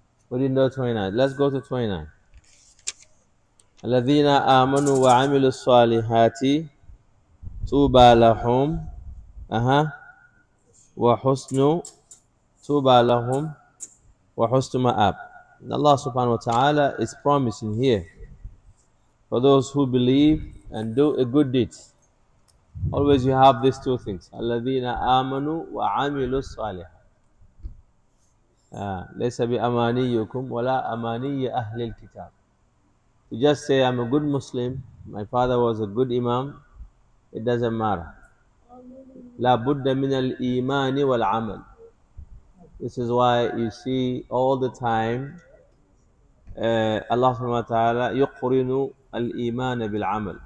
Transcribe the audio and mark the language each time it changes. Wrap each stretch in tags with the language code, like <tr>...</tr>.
<en>We didn't do 29. Let's go to 29.</en> <ar>الذين آمنوا وعملوا الصالحات طوبى لهم وحسن مآب.</ar> <en>Allah subhanahu wa ta'ala is promising here for those who believe and do a good deed. Always you have these two things.</en> <ar>الذين آمنوا وعملوا الصالحات. ليس بأمانيكم ولا أماني أهل الكتاب.</ar> <en>You just say, I'm a good Muslim, my father was a good Imam, it doesn't matter.</en> <ar>La budda min al imani wal amal.</ar> <en>This is why you see all the time</en> <ar>Allah subhanahu wa ta'ala yuqrinu al imana bil amal.</ar>